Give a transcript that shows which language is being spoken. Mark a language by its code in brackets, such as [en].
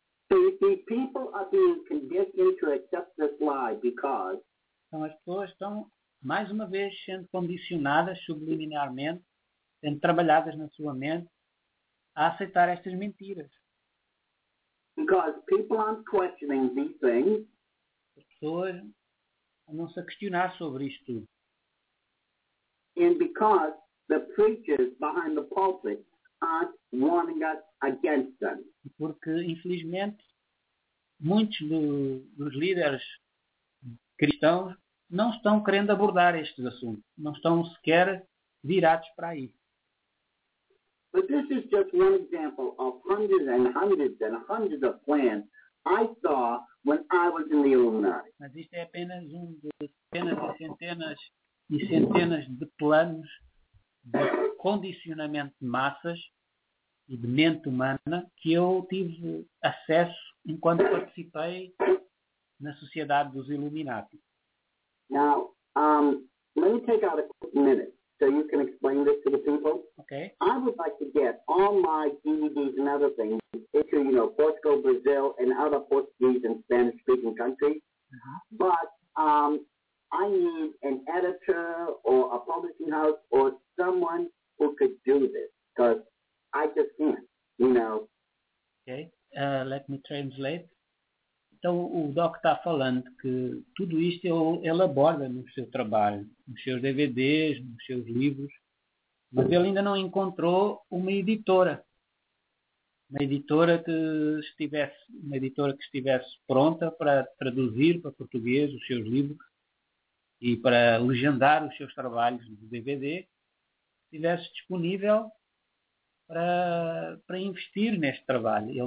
[en] So you see, people are being conditioned to accept this lie because... [pt] Então, as pessoas estão, mais uma vez, sendo condicionadas subliminarmente, sendo trabalhadas na sua mente, a aceitar estas mentiras. [en] Because people aren't questioning these things. [pt] As pessoas andam-se a questionar sobre isto tudo. [en] And because the preachers behind the pulpit aren't warning us against them. [pt] Porque, infelizmente, muitos dos líderes cristãos não estão querendo abordar estes assuntos. Não estão sequer virados para aí. [en] But this is just one example of hundreds and hundreds and hundreds of plans I saw when I was in the Illuminati. [pt] Mas isto é apenas um dos centenas e centenas e centenas de planos de condicionamento de massas e de mente humana que eu tive acesso enquanto participei na Sociedade dos Illuminati. [en] Now, let me take out a quick minute. So you can explain this to the people. Okay. I would like to get all my DVDs and other things into, you know, Portugal, Brazil, and other Portuguese and Spanish-speaking countries. Uh-huh. But I need an editor or a publishing house or someone who could do this because I just can't, you know. Okay. Let me translate. [pt] Então, o Doc está falando que tudo isto ele aborda no seu trabalho, nos seus DVDs, nos seus livros, mas ele ainda não encontrou uma editora que estivesse pronta para traduzir para português os seus livros e para legendar os seus trabalhos no DVD, estivesse disponível para investir neste trabalho.